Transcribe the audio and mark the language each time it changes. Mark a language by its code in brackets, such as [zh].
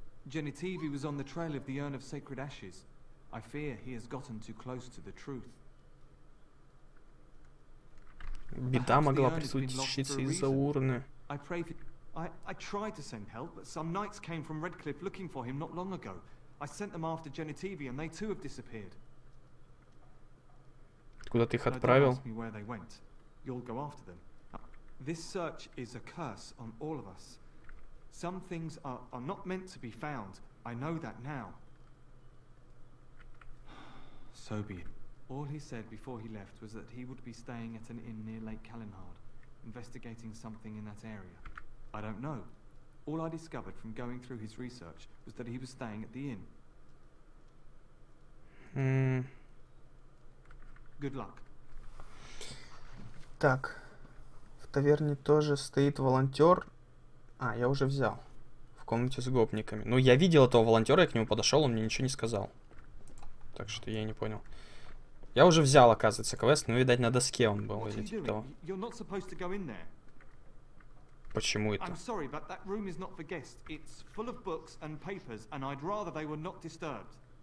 [en] Genitivi was on the trail of the Urn of Sacred Ashes. I fear he has gotten too close to the truth. [ru] Беда могла присутствовать из-за урны. [en] I tried to send help, but some knights came from Redcliffe looking for him not long ago. I sent them after Genitivi, and they too have disappeared. [ru] Куда ты их отправил? [en] Don't ask me where they went. You'll go after them. This search is a curse on all of us. Some things are not meant to be found. I know that now. So be it. All he said before he left was that he would be staying at an inn near Lake Callenhard, investigating something in that area. I don't know. All I discovered from going through his research was that he was staying at the inn. Good luck. [ru] Так. В таверне тоже стоит волонтер. А, я уже взял. В комнате с гопниками. Ну, я видел этого волонтера, я к нему подошел, он мне ничего не сказал. Так что я не понял. Я уже взял, оказывается, квест, но, видать, на доске он был. Или типа. Почему это? [en] I'm sorry, but that room is not for guests. It's full of books and papers, and I'd rather they were not disturbed.